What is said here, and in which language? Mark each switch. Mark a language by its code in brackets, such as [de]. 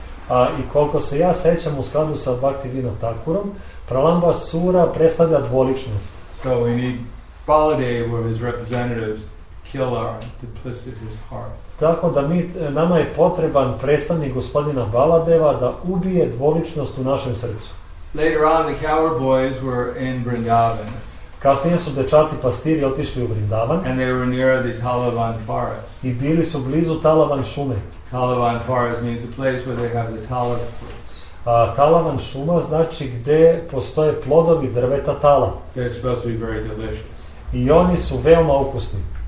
[sr] I koliko se ja sećam u skladu sa Bhaktivinoda Thakurom, Pralambasura predstavlja dvoličnost. [en] So we need Baladeva or his representatives kill our duplicitous heart. [sr] Tako da mi, nama je potreban predstavnik gospodina Baladeva da ubije dvoličnost u našem srcu. [en] Later on the coward boys were in Vrindavan. [sr] Kasnije su dečaci pastiri otišli u Vrindavan. [en] And they were near the Talavan forest. [sr] I bili su blizu Talavan šume. [en] Talavan forest means a place where they have the tala fruits. [sr] Talavan šuma znači gde postoje plodovi drveta tala. [en] They're supposed to be very delicious. [sr] I oni su veoma ukusni.